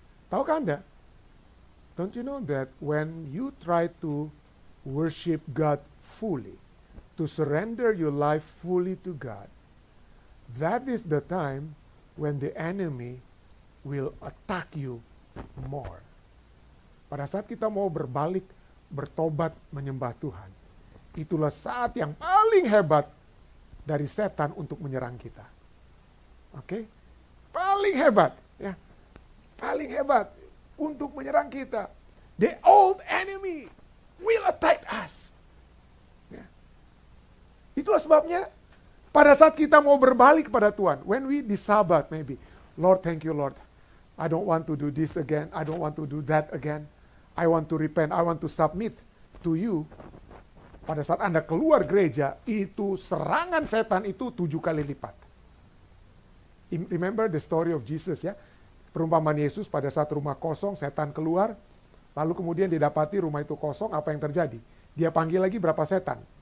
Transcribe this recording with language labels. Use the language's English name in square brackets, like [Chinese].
[Indonesian] Taukah anda? [English] Don't you know that when you try to worship God fully, to surrender your life fully to God, that is the time when the enemy will attack you more. [Indonesian] Pada saat kita mau berbalik, bertobat, menyembah Tuhan, itulah saat yang paling hebat dari setan untuk menyerang kita. Oke? Okay? Paling hebat, ya. Paling hebat untuk menyerang kita. [English] The old enemy will attack us. Ya. [Indonesian] Itulah sebabnya pada saat kita mau berbalik kepada Tuhan, [English] when we di Sabbath maybe, Lord, thank you Lord. I don't want to do this again. I don't want to do that again. I want to repent. I want to submit to you. [Indonesian] Pada saat Anda keluar gereja, itu serangan setan itu 7 kali lipat. [English] Remember the story of Jesus [Indonesian] ya. Perumpamaan Yesus pada saat rumah kosong, setan keluar. Lalu kemudian didapati rumah itu kosong, apa yang terjadi? Dia panggil lagi berapa setan?